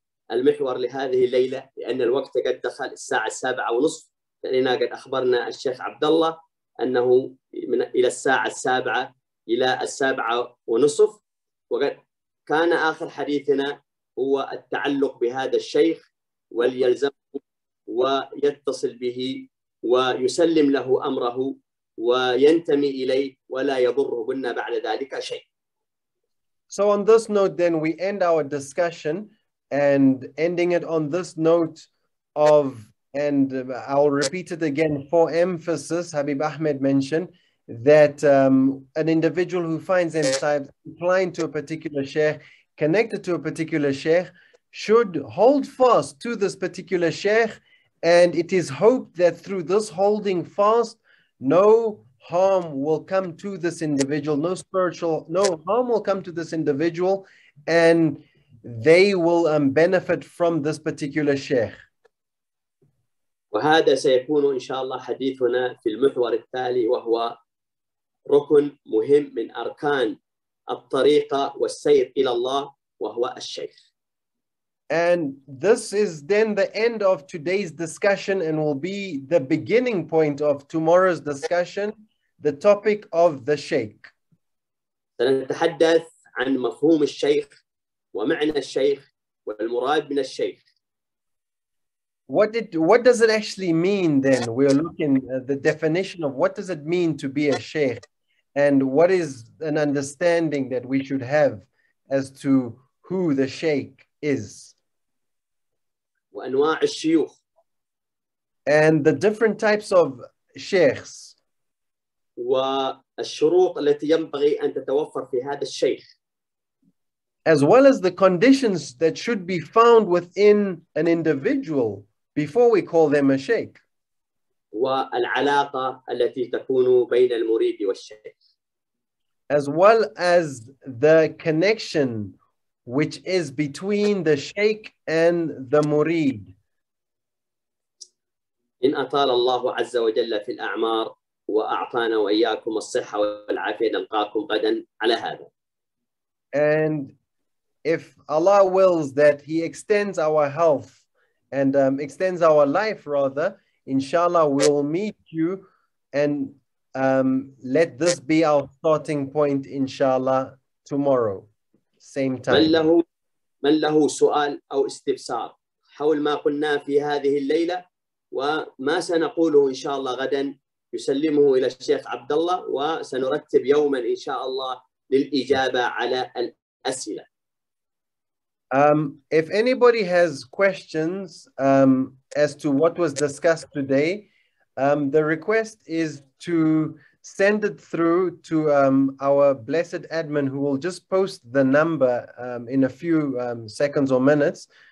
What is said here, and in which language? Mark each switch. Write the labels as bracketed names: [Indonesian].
[Arabic] المحور لهذه الليلة لأن الوقت قد دخل الساعة 7:30 لأننا قد أخبرنا الشيخ عبد الله أنه من إلى الساعة 7 إلى 7:30 وقد كان آخر حديثنا هو التعلق بهذا الشيخ وليلزمه ويتصل به ويسلم له أمره وينتمي إليه ولا يضره قلنا بعد ذلك شيء. [English] So on this note then we end our discussion. And ending it on this note of, and I'll repeat it again for emphasis, Habib Ahmed mentioned that an individual who finds themselves applying to a particular sheikh, connected to a particular sheikh, should hold fast to this particular sheikh. And it is hoped that through this holding fast, no harm will come to this individual, no harm will come to this individual. And they will benefit from this particular sheikh. [Arabic] وهذا سيكون إن شاء الله حديثنا في المحور التالي وهو ركن مهم من أركان الطريقة والسير إلى الله وهو الشيخ. [English] And this is then the end of today's discussion and will be the beginning point of tomorrow's discussion, the topic of the sheikh. [Arabic] سنتحدث عن مفهوم الشيخ ومعنى الشيخ والمراد من الشيخ. [English] What does it actually mean then? We are looking at the definition of what does it mean to be a sheikh, and what is an understanding that we should have as to who the sheikh is. [Arabic] وأنواع الشيوخ. [English] And the different types of sheikhs. [Arabic] والشروط التي ينبغي أن تتوفر في هذا الشيخ. [English] As well as the conditions that should be found within an individual before we call them a sheikh. [Arabic] والعلاقة التي تكون بين المريد والشيخ. [English] As well as the connection which is between the sheikh and the murid. [Arabic] إن أطال الله عز وجل في الأعمار وأعطانا وإياكم الصحة والعافية نلقاكم غدا على هذا. [English] And if Allah wills that He extends our health and extends our life rather, inshallah, we'll meet you and let this be our starting point, inshallah, tomorrow, same time. [Arabic] من له سؤال أو استفسار حول ما قلنا في هذه الليلة وما سنقوله إن شاء الله غدا يسلمه إلى الشيخ عبد الله وسنرتب يوما إن شاء الله للإجابة على الأسئلة. [English] If anybody has questions as to what was discussed today, the request is to send it through to our blessed admin, who will just post the number in a few seconds or minutes.